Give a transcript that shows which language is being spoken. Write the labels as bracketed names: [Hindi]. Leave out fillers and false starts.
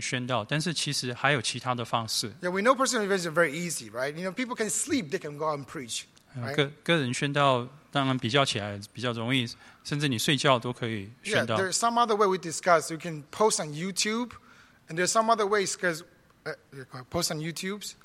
[Chinese] 那大部分的人都知道说可以个人宣道，但是其实还有其他的方式。Yeah, [English] we know personal evangelism is very easy, right? You know, people can sleep, they can go out and preach. Right? [Chinese] 个人宣道当然比较起来比较容易，甚至你睡觉都可以宣道。Yeah, [English] there's some other way we discuss. You can post on YouTube, and there's some other ways because post on YouTube.